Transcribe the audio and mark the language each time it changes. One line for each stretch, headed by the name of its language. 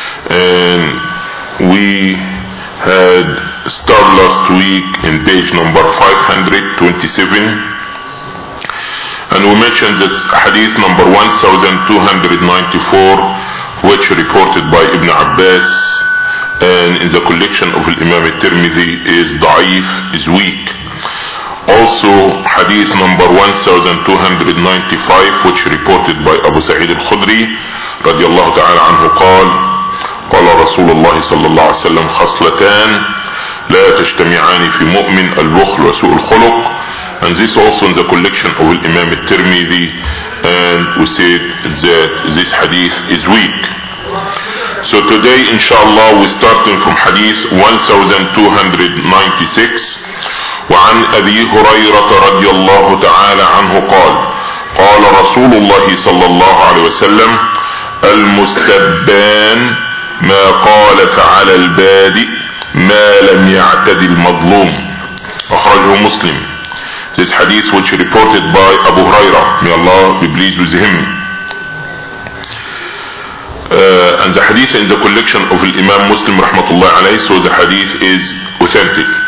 English: And we had started last week in page number 527, and we mentioned that hadith number 1294, which reported by Ibn Abbas and in the collection of Imam al-Tirmidhi, is da'if, is weak. Also, hadith number 1295, which reported by Abu Sa'id al-Khudri radiallahu ta'ala anhu,
Arabic: قال رسول الله صلى الله عليه وسلم خصلتان لا تجتمعان في مؤمن, البخل وسوء الخلق.
English: And this also in the collection of Imam al-Tirmidhi, and we said that this hadith is weak. So today, inshallah, we're starting from hadith 1296.
Arabic: وعن أبي هريرة رضي الله تعالى عنه قال قال رسول الله صلى الله عليه وسلم المستبان ما قال فعلى البادئ ما لم يعتد المظلوم. أخرجه مسلم.
English: This hadith which reported by Abu Huraira, may Allah be pleased with him. And the hadith in the collection of Imam Muslim rahmatullah alayhi, so the hadith is authentic.